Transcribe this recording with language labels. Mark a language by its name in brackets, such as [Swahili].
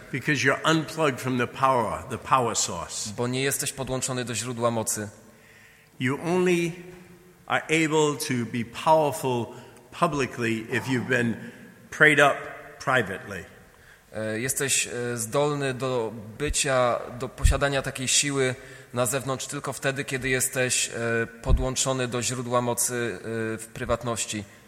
[English] Because you're unplugged from the power source. [Polish] Bo nie jesteś podłączony do źródła mocy. [English] You only are able to be powerful publicly if you've been prayed up privately. [Polish] Jesteś zdolny do bycia, do posiadania takiej siły na zewnątrz tylko wtedy, kiedy jesteś podłączony do źródła mocy w prywatności.